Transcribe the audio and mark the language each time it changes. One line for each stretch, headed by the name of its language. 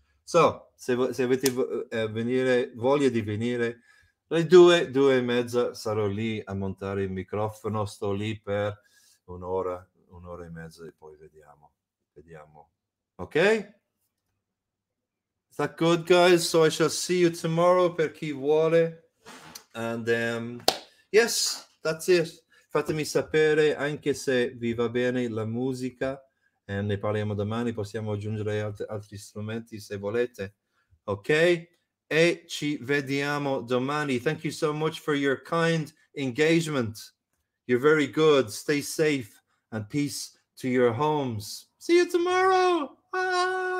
Italian: So, se avete voglia di venire, alle 2, 2 e mezza sarò lì a montare il microfono. Sto lì per un'ora e mezza e poi vediamo.
English: Ok? Is that good, guys? So I shall see you tomorrow
Italian: per chi vuole.
English: And yes, that's it.
Italian: fatemi sapere anche se vi va bene la musica, e ne parliamo domani, possiamo aggiungere altri strumenti se volete, ok? E ci vediamo domani.
English: Thank you so much for your kind engagement. You're very good. Stay safe and peace to your homes. See you tomorrow. Bye.